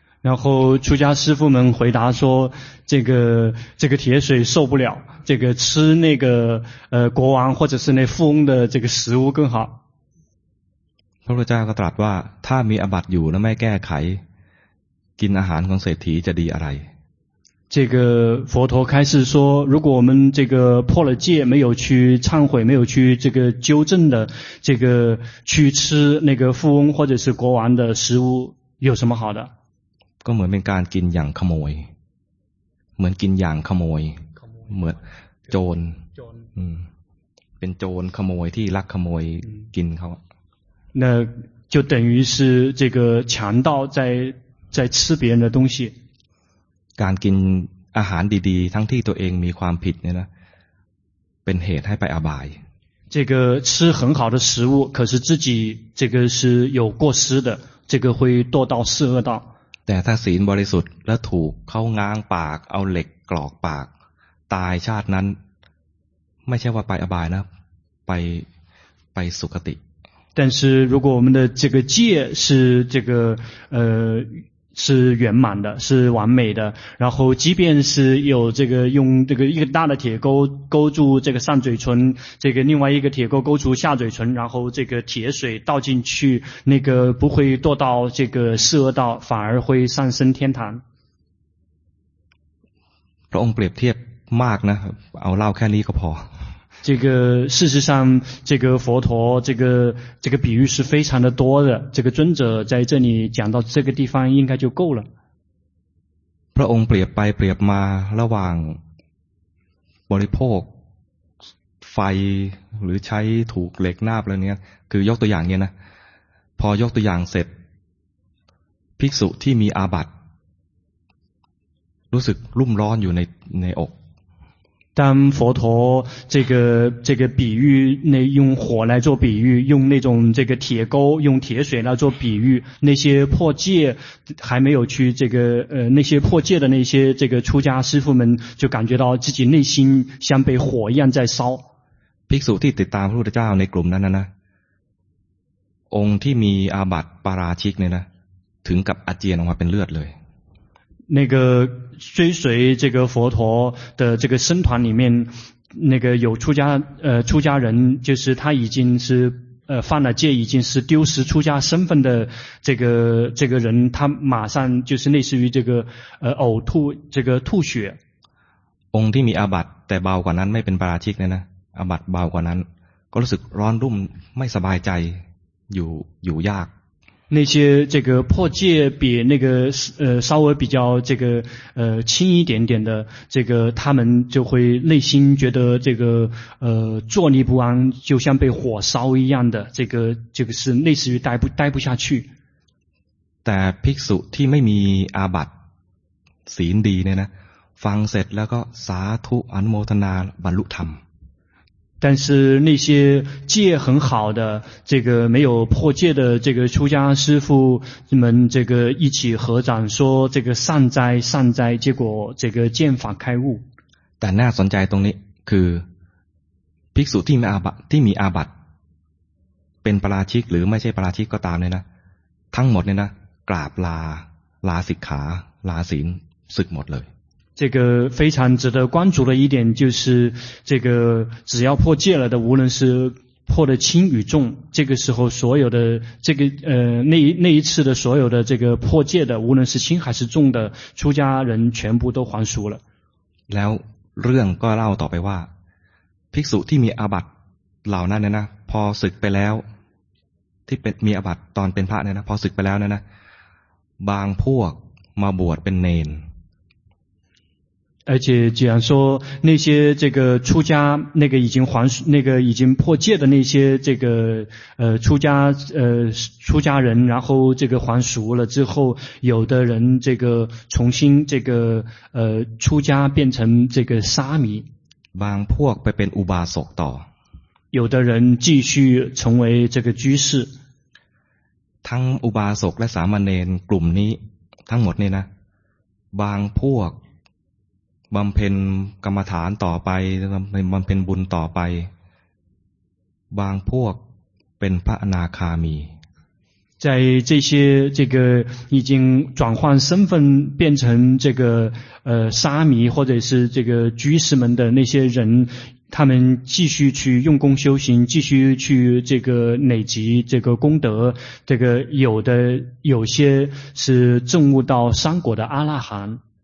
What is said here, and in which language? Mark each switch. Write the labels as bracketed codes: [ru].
[zh] 然后出家师父们回答说这个铁水受不了这个吃那个国王或者是那富翁的这个食物更好 [th] พระพุทธเจ้าก็ตรัสว่าถ้ามีอาบัติอยู่แล้วไม่แก้ไขกินอาหารของเศรษฐีจะดีอะไร [zh] 这个佛陀开始说，如果我们这个破了戒，没有去忏悔，没有去这个纠正的，这个去吃那个富翁或者是国王的食物，有什么好的？ [th] ก็เหมือนเป็นการกินอย่างขโมย，เหมือนกินอย่างขโมย，เหมือนโจร，เป็นโจรขโมยที่ลักขโมยกินเขา。 [zh] 那就等于是这个强盗在吃别人的东西。 [th] การกินอาหารดีๆทั้งที่ตัวเองมีความผิดเนี่ยนะเป็นเหตุให้ไปอบาย [zh] 这个吃很好的食物可是自己这个是有过失的这个会堕到四恶道 [th] แต่ถ้าศีลบริสุทธิ์และถูกเข้าง้างปากเอาเหล็กกรอกปากตายชาตินั้นไม่ใช่ว่าไปอบายนะไปสุคติ [zh] 但是如果我们的这个戒是这个是圆满的是完美的然后即便是有这个用这个一个大的铁钩勾住这个上嘴唇这个另外一个铁钩勾住下嘴唇然后这个铁水倒进去那个不会堕到这个四恶道反而会上升天堂 [th] พระองค์เปรียบเทียบมากนะเอาเล่าแค่นี้ก็พอ [zh] 这个事实上，这个佛陀这个比喻是非常的多的。这个尊者在这里讲到这个地方，应该就够了。 [th] พระองค์เปรียบไปเปรียบมาระหว่างบริโภคไฟหรือใช้ถูกเหล็กนาบอะไรเนี้ยคือยกตัวอย่างเนี้ยนะพอยกตัวอย่างเสร็จภิกษุที่มีอาบัติรู้สึกรุ่มร้อนอยู่ในอก [zh] 当佛陀这个比喻，那用火来做比喻，用那种这个铁钩，用铁水来做比喻，那些破戒还没有去这个那些破戒的那些这个出家师父们，就感觉到自己内心像被火一样在烧。 [th] ภิกษุที่ติดตามพระพุทธเจ้าในกลุ่มนั้นนะองค์ที่มีอาบัติปาราชิกเนี่ยนะถึงกับอาเจียนออกมาเป็นเลือดเลย [zh] 那个追随这个佛陀的这个僧团里面，那个有出家人，就是他已经是犯了戒，已经是丢失出家身份的这个人，他马上就是类似于这个呕吐，这个吐血。 [th] องค์ที่มีอาบัติแต่เบากว่านั้นไม่เป็นปาราชิกเลยนะอาบัติเบากว่านั้นก็รู้สึกร้อนรุ่มไม่สบายใจ [zh] 有压。那些这个破戒比那个稍微比较这个轻一点点的，这个他们就会内心觉得这个坐立不安，就像被火烧一样的，这个是类似于待不下去。 [th] แต่ภิกษุที่ไม่มีอาบัติศีลดีเนี่ยนะฟังเสร็จแล้วก็สาธุอนุโมทนาบรรลุธรรม [zh] 但是那些戒很好的这个没有破戒的这个出家师父们这个一起合掌说这个善哉善哉结果这个见法开悟 [th] แต่น่าสนใจตรงนี้คือภิกษุที่มีอาบัติเป็นปาราชิกหรือไม่ใช่ปาราชิกก็ตามเลยนะทั้งหมดเนี่ยนะกราบลาสิกขาลาศีลสึกหมดเลย [zh] 这个非常值得关注的一点就是这个只要破戒了的无论是破的轻与重这个时候所有的这个那一次的所有的这个破戒的无论是轻还是重的出家人全部都还俗了 [th] แล้วเรื่องก็เล่าต่อไปว่าภิกษุที่มีอาบัติเหล่านั้นเนี่ยนะพอสึกไปแล้วที่เป็นมีอาบัติตอนเป็นพระเนี่ยนะพอสึกไปแล้วเนี่ยนะบางพวกมาบวชเป็นเนน [zh] 而且既然说那些这个出家那个已经还那个已经破戒的那些这个出家人然后这个还俗了之后有的人这个重新这个出家变成这个沙弥 [th] บางพวกไปเป็นอุบาสกต่อ [zh] 有的人继续成为这个居士 [th] ทั้งอุบาสกและสามเณรกลุ่มนี้ทั้งหมดนี่นะบางพวกบำเพ็ญกรรมฐานต่อไปบำเพ็ญบุญต่อไปบางพวกเป็นพระอนาคามี [zh] 在这些这个已经转换身份变成这个沙弥或者是这个居士们的那些人他们继续去用功修行继续去这个累积这个功德这个有些是证悟到三果的阿拉含